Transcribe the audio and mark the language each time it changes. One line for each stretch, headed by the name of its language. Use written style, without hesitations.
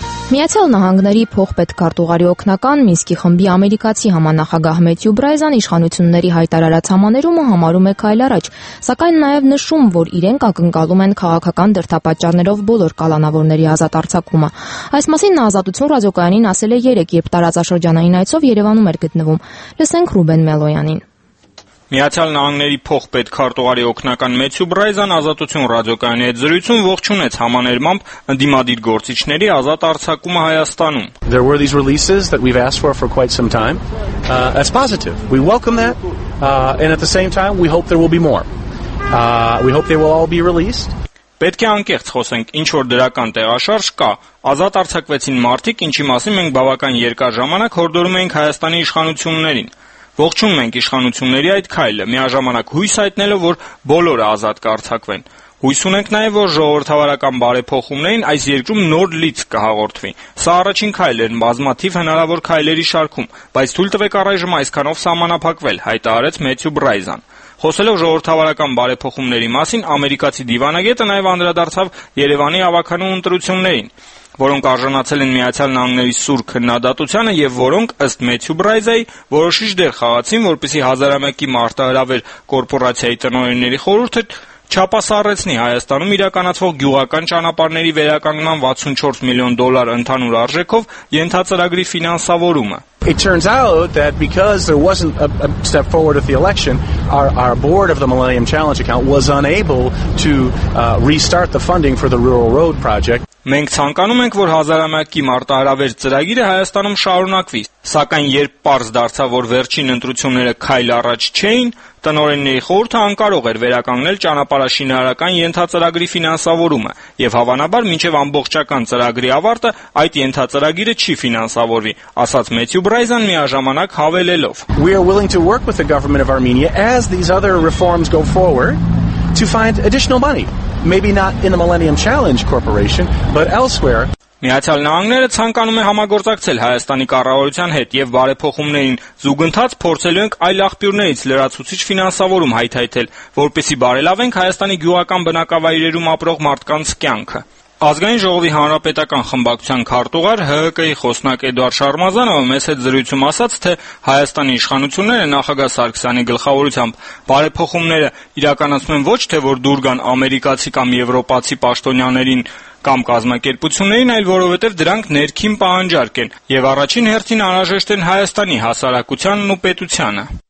Armenian: Միացյալ Նահանգների փոխպետքարտուղարի օգնական Մինսկի խմբի ամերիկացի համանախագահ Մեթյու Բրայզան իշխանությունների հայտարարած համաներումը համարում է քայլ առաջ, սակայն նաև նշում, որ իրենք ակնկալում են քաղաքական դրդապատճառներով բոլոր կալանավորների ազատ արձակումը։ Այս մասին նա Ազատություն ռադիոկայանին ասել է 3, երբ տարածաշրջանային այցով Երևանում էր գտնվում։ Լսենք Ռուբեն Մելոյանին։ Միացյալ Նահանգների փոխպետքարտուղարի օգնական Մեթյու Բրայզան Ազատություն ռադիոկայանի հետ զրույցում ողջունեց համաներմամբ դիմադիր գործիչների ազատ արձակումը Հայաստանում։
English: There were these releases that we've asked for quite some time. That's positive. We welcome that. And at the same time, we hope there will be more. We hope they will all be released.
Armenian: Պետք է անկեղծ խոսենք, ինչ որ դրական տեղաշարժ կա, ազատ արձակվեցին մարդիկ, ինչի մասին մենք բավական երկար ժամանակ հորդորում էինք Հայաստանի իշխանություններին։ Ողջունում ենք իշխանությունների այդ քայլը, միաժամանակ հույս հայտնելով, որ բոլորը ազատ կարձակվեն։ Հույս ունենք նաև, որ ժողովրդավարական բարեփոխումներին այս երկրում նոր լիցք կհաղորդվի։ Սա առաջին քայլն է բազմաթիվ հնարավոր քայլերի շարքում, բայց թույլ տվեք առայժմ այսքանով սահմանափակվել, հայտարարեց Մեթյու Բրայզան։ Խոսելով ժողովրդավարական բարեփոխումների մասին, ամերիկացի դիվանագետը նաև անդրադարձավ Երևանի ավականու ընտրություններին, որոնք արժանացել են Միացյալ Նահանգների սուր քննադատությանը և որոնք, ըստ Մեթյու Բրայզայի, որոշիչ դեր խաղացին, որպեսի հազարամյակի մարտահրավեր կորպորացիայի տնօրենների խորհուրդը չապասարեցնի Հայաստանում իրականացվող գյուղական ճանապարհների վերականգնման
English: $64 million
Armenian: ընդհանուր արժեքով ենթածրագրի ֆինանսավորումը։
English: It turns out that because there wasn't a step forward at the election, our board of the Millennium Challenge account was unable to restart the funding for the rural road project.
Armenian: Մենք ցանկանում ենք, որ հազարամյակի մարտահրավեր ծրագիրը Հայաստանում շարունակվի, սակայն երբ պարզ դարձավ, որ վերջին ընտրությունները քայլ առաջ չէին, տնօրենների խորհուրդը անկարող էր վերականգնել ճանապարհաշինարարական ենթածրագրի ֆինանսավորումը, և հավանաբար մինչև ամբողջական ծրագրի ավարտը այդ ենթածրագիրը չի ֆինանսավորվի, ասաց Մեթյու Բրայզան միաժամանակ հավելելով.
English: We are willing to work with the government of Armenia as these other reforms go forward to find additional money. Maybe not in the Millennium Challenge Corporation, but elsewhere.
Armenian: Միացյալ Նահանգները ցանկանում է համագործակցել Հայաստանի կառավարության հետ և բարեփոխումներին զուգընթաց փորձելու ենք այլ աղբյուրներից լրացուցիչ ֆինանսավորում հայթայթել, որպեսզի բարելավենք Հայաստանի գյուղական բնակավայրերում ապրող մարդկանց կյանքը։ Ազգային ժողովի հանրապետական խմբակցության քարտուղար ՀՀԿ-ի խոսնակ Էդուարդ Շարմազանովը մեզ հետ զրույցում ասաց, թե Հայաստանի իշխանությունները նախագահ Սարգսյանի գլխավորությամբ բարեփոխումները իրականացնում են ոչ թե որ դուր գան ամերիկացի կամ եվրոպացի պաշտոնյաներին կամ կազմակերպություններին, այլ որովհետև դրանք ներքին պահանջարկ են և առաջին հերթին անհրաժեշտ են Հայաստանի հասարակությանն ու պետությանը։